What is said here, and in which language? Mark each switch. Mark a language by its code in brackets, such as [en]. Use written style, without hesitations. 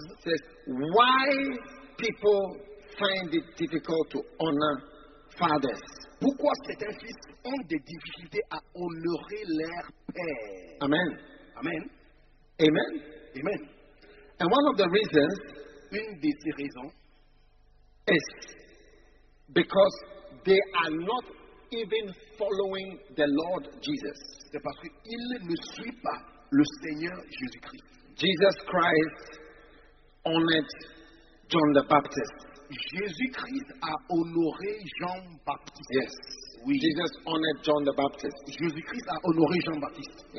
[en] says, why people find it difficult to honor fathers. [fr] Pourquoi certains fils ont des difficultés à honorer leur père? Amen. Amen. Amen. Amen. [en] And one of the reasons, [fr] une de ces raisons, [en] is because they are not even following the Lord Jesus. [fr] C'est parce qu'ils ne suivent pas le Seigneur Jésus-Christ. [en] Jesus Christ honored John the Baptist. [fr] Jésus-Christ a honoré Jean Baptiste. [en] Yes. [fr] Oui. [en] Jesus honored John the Baptist. [fr] Jésus-Christ a honoré Jean Baptiste.